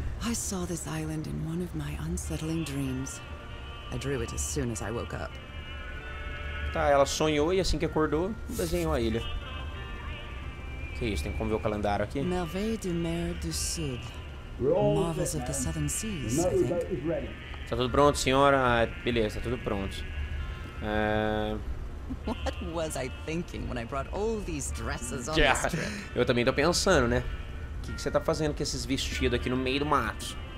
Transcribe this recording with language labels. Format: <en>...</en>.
<en>I saw this island in one of my unsettling dreams. I drew it as soon as I woke up.</en> <pt>Tá, ela sonhou e assim que acordou, desenhou a ilha. Que isso, tem como ver o calendário aqui?</pt> <fr>Merveille du Mer du Sud.</fr> <en>Marvels of the Southern Seas, I think.</en> <pt>Tá tudo pronto, senhora? Ah, beleza, tá tudo pronto.</pt> <en>What was I thinking when I brought all these dresses on this trip?</en> <pt>Eu também tô pensando, né? O que você tá fazendo com esses vestidos aqui no meio do mato?</pt>